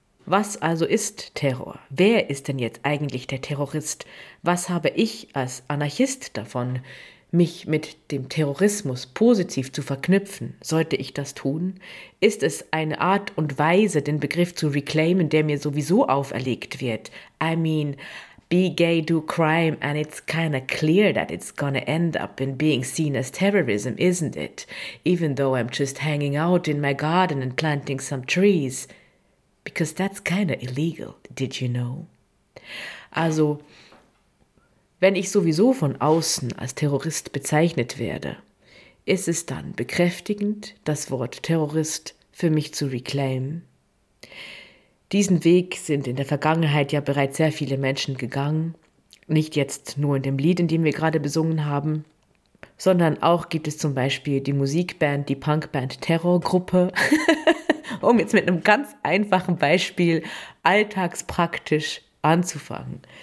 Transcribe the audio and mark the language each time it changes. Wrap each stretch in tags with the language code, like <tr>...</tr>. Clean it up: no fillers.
<de>Was also ist Terror? Wer ist denn jetzt eigentlich der Terrorist? Was habe ich als Anarchist davon, mich mit dem Terrorismus positiv zu verknüpfen? Sollte ich das tun? Ist es eine Art und Weise, den Begriff zu reclaimen, der mir sowieso auferlegt wird?</de> <en>I mean, be gay, do crime, and it's kinda clear that it's gonna end up in being seen as terrorism, isn't it? Even though I'm just hanging out in my garden and planting some trees. Because that's kinda illegal, did you know?</en> <de>Also, wenn ich sowieso von außen als Terrorist bezeichnet werde, ist es dann bekräftigend, das Wort Terrorist für mich zu reclaimen? Diesen Weg sind in der Vergangenheit ja bereits sehr viele Menschen gegangen, nicht jetzt nur in dem Lied, in dem wir gerade besungen haben, sondern auch gibt es zum Beispiel die Musikband, die Punkband Terrorgruppe, um jetzt mit einem ganz einfachen Beispiel alltagspraktisch anzufangen.</de>